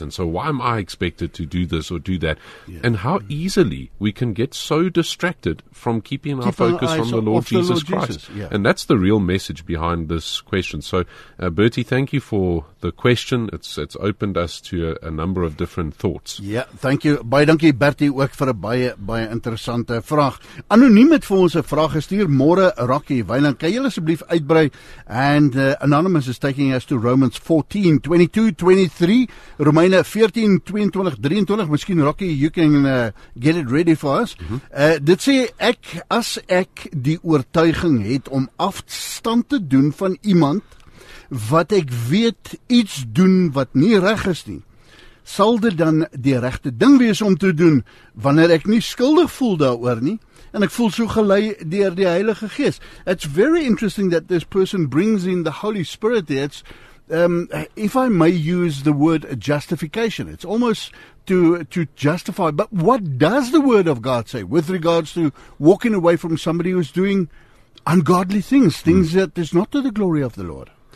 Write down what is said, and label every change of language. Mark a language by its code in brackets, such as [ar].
[en] And so why am I expected to do this or do that? Yeah. And how easily we can get so distracted from keeping our focus on the Lord Jesus Christ. Yeah. And that's the real message behind this question. So, Bertie, thank you for the question. It's opened us to a number of different thoughts. Yeah, thank you. [af] Baie dankie, Bertie, ook vir 'n baie, baie interessante vraag. Anoniem het vir ons 'n vraag gestuur. Môre, Rocky Weiland, kan jy asseblief uitbrei? [en] And Anonymous is taking us to Romans 14, 22, 23, [af] Romeine 14, 22, 23. Miskien, [en] Rocky, you can get it ready for us. Mm-hmm. [af] Dit sê, ek, as ek die oortuiging het om afstand te doen van iemand wat ek weet iets doen wat nie reg is nie, sal dit dan die regte ding wees om te doen wanneer ek nie skuldig voel daaroor nie? En ek voel so gelei deur die Heilige Gees. [en] It's very interesting that this person brings in the Holy Spirit. It's, if I may use the word justification, it's almost to justify. But what does the Word of God say with regards to walking away from somebody who's doing ungodly things, things that is not to the glory of the Lord?